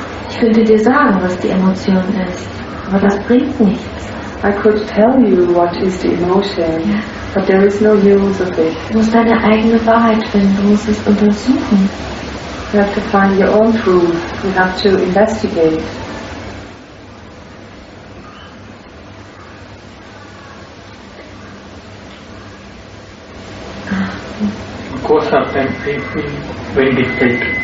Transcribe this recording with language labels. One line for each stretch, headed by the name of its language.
German: Ich könnte dir sagen, was die Emotion ist. Aber das bringt nichts.
English: I could tell you what is the emotion, yeah. But there is no use of it.
German: Du musst deine eigene Wahrheit finden, du musst es untersuchen.
English: You have to find your own truth, you have to investigate. Of course, sometimes I feel very difficult.